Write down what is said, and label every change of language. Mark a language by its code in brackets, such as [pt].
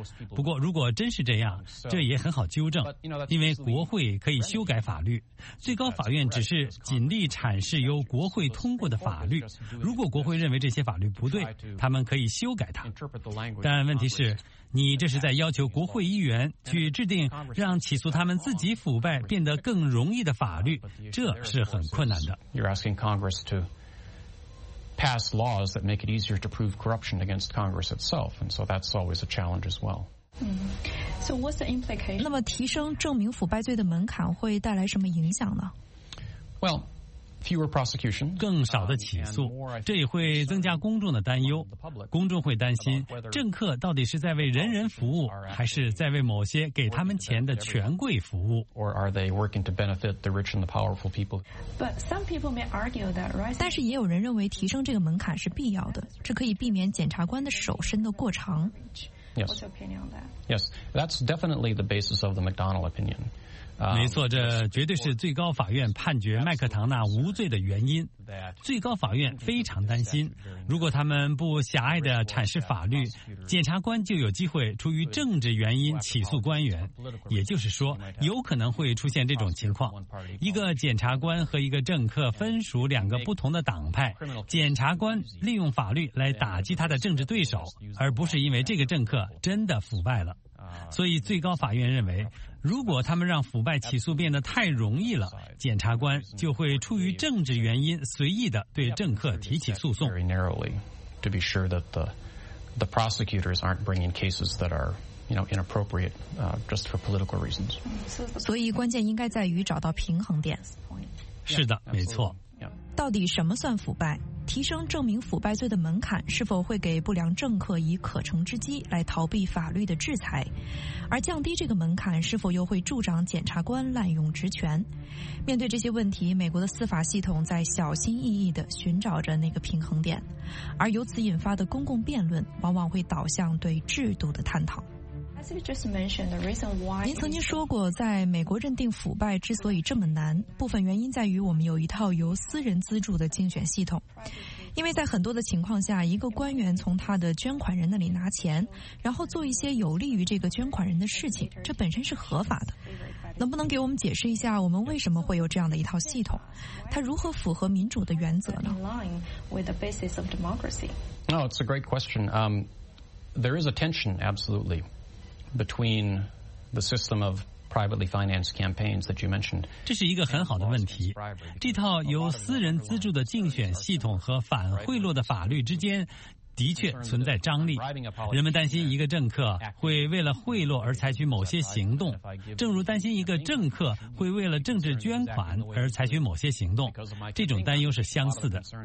[zh] 不过如果真是这样，这也很好纠正，因为国会可以修改法律，最高法院只是尽力阐释由国会通过的法律。如果国会认为这些法律不对，他们可以修改它。但问题是，你这是在要求国会议员去制定让起诉他们自己腐败变得更容易的法律，这是很困难的。 [en] You're asking Congress to pass laws that make it easier to prove corruption against Congress itself, and so that's always a challenge as well. So what's the implication? [zh] 那么提升证明腐败罪的门槛会带来什么影响呢？ [en] Well,Fewer prosecution, [zh] 更少的起诉，这也会增加公众的担忧。公众会担心政客到底是在为人人服务，还是在为某些给他们钱的权贵服务。 [en] Or are they working to benefit the rich and the powerful people? But some people may argue that, right? [zh] 但是也有人认为提升这个门槛是必要的，这可以避免检察官的手伸得过长。 [en] Yes. Yes, that's definitely the basis of the McDonnell opinion. [zh] 没错，这绝对是最高法院判决麦克唐纳无罪的原因。最高法院非常担心，如果他们不狭隘地阐释法律，检察官就有机会出于政治原因起诉官员，也就是说有可能会出现这种情况，一个检察官和一个政客分属两个不同的党派，检察官利用法律来打击他的政治对手，而不是因为这个政客真的腐败了。所以最高法院认为，如果他们让腐败起诉变得太容易了，检察官就会出于政治原因随意地对政客提起诉讼。 [en] Very narrowly, to be sure that the prosecutors aren't bringing cases that are, you know, inappropriate, just for political reasons. [zh] 所以关键应该在于找到平衡点。是的，没错。到底什么算腐败？提升证明腐败罪的门槛是否会给不良政客以可乘之机来逃避法律的制裁？而降低这个门槛是否又会助长检察官滥用职权？面对这些问题，美国的司法系统在小心翼翼地寻找着那个平衡点，而由此引发的公共辩论往往会导向对制度的探讨。您曾经说过，在美国认定腐败之所以这么难，部分原因在于我们有一套由私人资助的竞选系统。因为在很多的情况下，一个官员从他的捐款人那里拿钱，然后做一些有利于这个捐款人的事情，这本身是合法的。能不能给我们解释一下，我们为什么会有这样的一套系统？它如何符合民主的原则呢？ [en] No, it's a great question. There is a tension, absolutely, between the system of privately financed campaigns that you mentioned. [zh] 这是一个很好的问题。这套由私人资助的竞选系统和反贿赂的法律之间的确存在张力，人们担心一个政客会为了贿赂而采取某些行动，正如担心一个政客会为了政治捐款而采取某些行动，这种担忧是相似的。